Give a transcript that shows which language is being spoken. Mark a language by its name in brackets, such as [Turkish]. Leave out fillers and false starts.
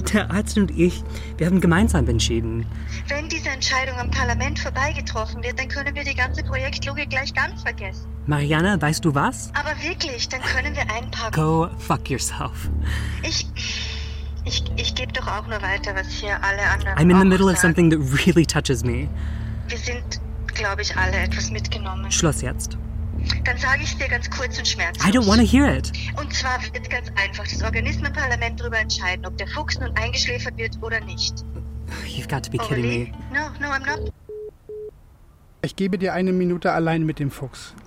[German] Der Arzt und ich, wir haben gemeinsam entschieden. Wenn diese Entscheidung am Parlament vorbeigetroffen wird, dann können wir die ganze Projektlogik gleich ganz vergessen. Mariana, weißt du was? Aber wirklich, dann können wir einpacken. [English] Go fuck yourself. [German] Ich gebe doch auch nur weiter, was hier alle anderen [English] I'm in the middle of something that really touches me. [German] Wir sind, glaube ich, alle etwas mitgenommen. Schluss jetzt. Dann sage ich es dir ganz kurz und schmerzlos. [English] I don't want to hear it. [German] Und zwar wird ganz einfach das Organismenparlament darüber entscheiden, ob der Fuchs nun eingeschläfert wird oder nicht. [English] You've got to be kidding me. No, I'm not. [German] Ich gebe dir eine Minute allein mit dem Fuchs.